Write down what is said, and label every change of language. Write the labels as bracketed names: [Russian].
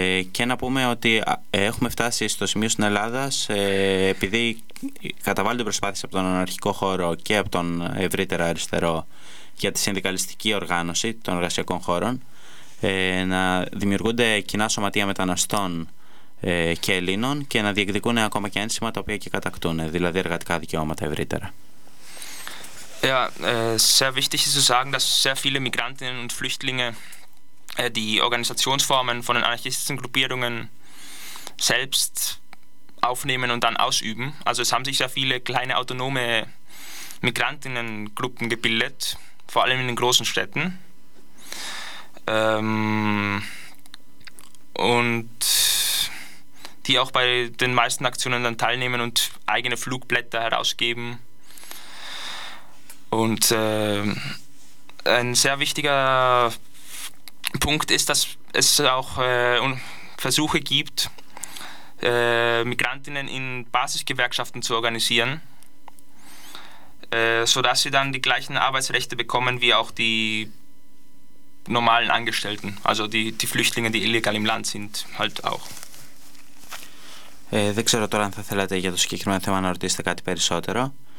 [Greek] Και να πούμε ότι έχουμε φτάσει στο σημείο στην Ελλάδα, επειδή καταβάλλονται προσπάθειες από τον αναρχικό χώρο και από τον ευρύτερα αριστερό για τη συνδικαλιστική οργάνωση των εργασιακών χώρων, να δημιουργούνται κοινά σωματεία μεταναστών και Ελλήνων και να διεκδικούν ακόμα και ένσημα τα οποία και κατακτούν, δηλαδή εργατικά δικαιώματα ευρύτερα. [German] Ja, sehr wichtig ist zu sagen, dass sehr viele Migrantinnen und Flüchtlinge die Organisationsformen von den anarchistischen Gruppierungen selbst aufnehmen und dann ausüben. Also es haben sich sehr viele kleine autonome Migrantinnengruppen gebildet, vor allem in den großen Städten. Und die auch bei den meisten Aktionen dann teilnehmen und eigene Flugblätter herausgeben. Und ein sehr wichtiger Punkt ist, dass es auch Versuche gibt, Migrantinnen in Basisgewerkschaften zu organisieren, sodass sie dann die gleichen Arbeitsrechte bekommen wie auch die normalen Angestellten, also die Flüchtlinge, die illegal im Land sind, halt auch. [Greek] Δεν ξέρω τώρα αν θα θέλατε για το συγκεκριμένο θέμα να ρωτήσετε κάτι περισσότερο.